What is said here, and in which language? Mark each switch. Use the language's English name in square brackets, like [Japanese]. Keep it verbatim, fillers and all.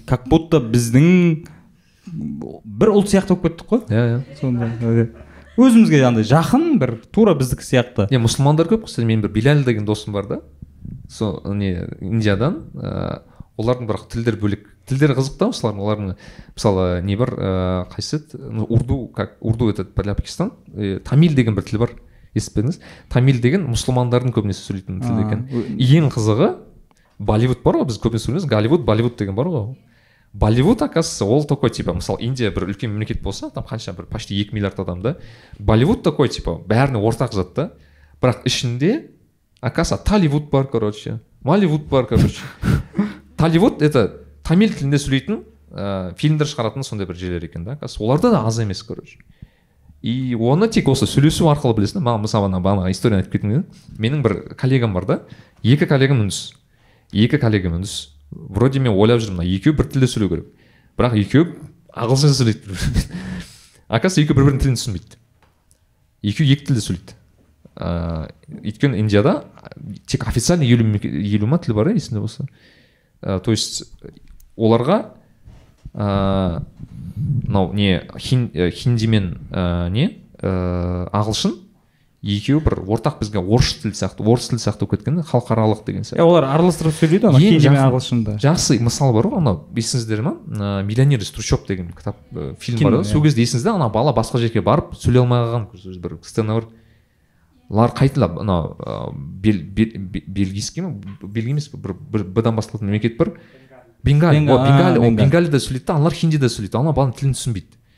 [Russian] Как будто [Kazakh] біздің бір ұлт сияқты болып кеттік қой. Иә, иә. Сондай. Өзімізге андай жақын бір тура біздікі сияқты. Е, мұсылмандар көп қой. Мен бір Биләл деген досым бар да. Со не Индиядан, ыыы олардың бірақ тілдер бөлек. Тілдері қызық та осылардың. Олардың мысалы не бар, ыыы қайсы еді? [Russian] Урду, как урду это для Пакистан. [Kazakh] Тамил деген бір тіл бар. Естіпедіңіз? Тамил деген мұсылмандардың көбінесе сөйлейтін тіл екен. Ең қызығы Болливуд бар ғой, біз көбінесе сөйлейміз. Голливуд, Болливуд деген бар ғой. Болливуд, оказывается, ол [Russian] такой, типа, [Kazakh] мысалы, Индия бір үлкен мемлекет болса, там қанша бір почти екі миллиард адамда. Болливуд [Russian] такой, типа, [Kazakh] бәріне ортақ зат та. Бірақ ішінде, оказывается, Талливуд бар, короче. Малливуд бар, короче. Талливуд это тамил тілінде сөйлейтін, ә, фильмдер шығаратын сондай бір жерлер екен да. Оказывается, оларда да аз емес, короче. И оны тек осы сөйлесу арқылы білесің. Маған мысалы бағана историяны айтып кеткен. Менің бір коллегам бар да. Екі коллегам үндіс. Екі коллегам үндіс. Вроде мен ойлап жүрмін, мына екеуі бір тілде сөйлеу керек. Бірақ екеуі ағылшынша сөйлейді. Оказывается, екеуі бір-бірінің тілін түсінбейді. Екеуі екі тілде сөйлейді. Өйткені Индияда тек официальный елу ма тілі бар, есінде болса. [Russian] То есть [Kazakh] оларға мынау не хинди мен не ағылшын екеуі бір ортақ бізге орыс тілі сияқты, орыс тілі сияқты болып кеткен, халықаралық деген сияқты. Олар араластырып сөйлейді, ана хинди мен ағылшынды. Жақсы мысал бар ғой, анау есіңіздер ма? Миллионер из трущоб деген кітап, фильм бар. Сол кезде есіңізде, ана бала басқа жерге барып сөйлей алмай қалған бір сцена бар. Олар қайталап, анау бельгийский ма? Бельгия емес, бір бдан басталатын мемлекет бар. Бенгали, Бенгали, Бенгалида сөйлейді, аналар хиндида сөйлейді, ана баланың тілін түсінбейді.